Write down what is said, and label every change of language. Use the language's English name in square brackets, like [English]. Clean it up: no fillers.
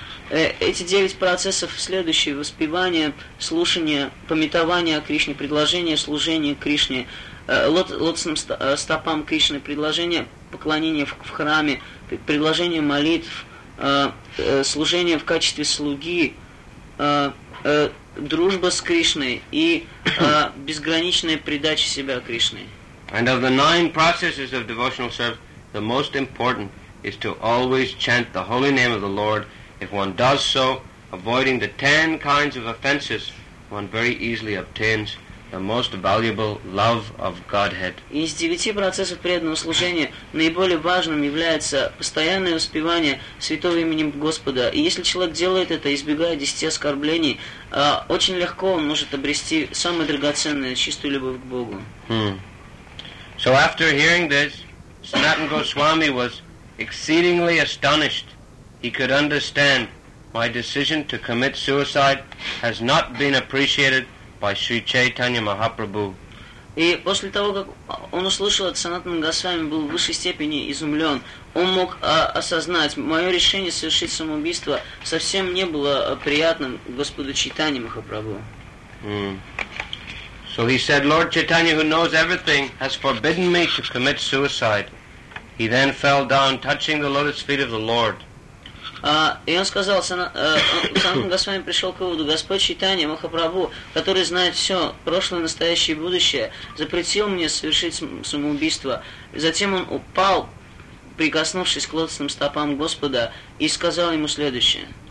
[Russian] Эти девять процессов следующие: воспевание, слушание, памятование о Кришне, предложение служения Кришне, лотосным стопам Кришны, предложение поклонения в храме, предложение молитв, служение в качестве слуги, дружба с Кришной и безграничная предача себя Кришне. [English] And of the nine processes of devotional service, the most important is to always chant the holy name of the Lord. If one does so, avoiding the ten kinds of offenses, one very easily obtains the most valuable love of Godhead. [Russian] Из девяти процессов преданного служения наиболее важным является постоянное воспевание святого имени Господа. И если человек делает это, избегая десяти оскорблений, очень легко он может обрести самое драгоценное, чистую любовь к Богу. [English] So after hearing this, Sanatana Goswami was exceedingly astonished. He could understand my decision to commit suicide has not been appreciated by Sri Chaitanya Mahaprabhu. [Russian] И после того, как он услышал это, Санатана Госвами был в высшей степени изумлен. Он мог осознать, мое решение совершить самоубийство совсем не было приятным Господу Чайтанье Махапрабху. [English] So he said, Lord Chaitanya, who knows everything, has forbidden me to commit suicide. He then fell down, touching the lotus feet of the Lord. [Russian] И он сказал, Санатана Госвами пришел к выводу, Господь Чайтанья Махапрабху, который знает все, прошлое, настоящее и будущее, запретил мне совершить самоубийство. И затем он упал, прикоснувшись к лотосным стопам Господа, и сказал ему следующее.